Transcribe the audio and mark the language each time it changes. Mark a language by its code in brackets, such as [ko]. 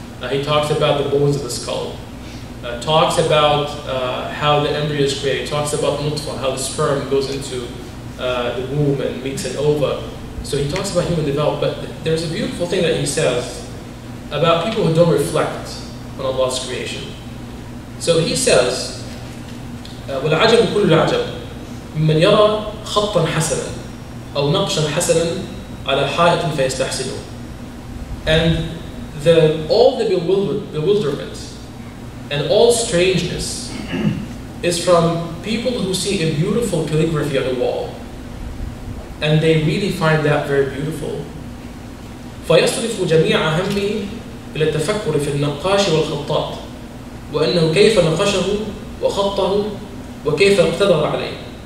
[en] He talks about the bones of the skull. Talks about how the embryo is created. Talks about nutfah, how the sperm goes into the womb and meets an ova. So he talks about human development, but there's a beautiful thing that he says about people who don't reflect on Allah's creation. So he says, [ar] وَالْعَجَبُ كُلُّ الْعَجَبُ مَنْ يَرَى خَطًّا حَسَنًا أَوْ نَقْشًا حَسَنًا عَلَى حَائِطٍ فَيَسْتَحْسِنُ. [en] And all the bewilderment and all strangeness is from people who see a beautiful calligraphy on the wall, and they really find that very beautiful. [ar] فَيَصْرِفُ جَمِيعَ هَمِّهِ إِلَى التَّفَكُّرِ فِي النَّقَّاشِ وَالْخَطَّاطِ وَأَنَّهُ كَيْفَ نَقَشَهُ وَخَطَّهُ وَكَيْفَ اقْتَدَرَ عَلَيْهِ.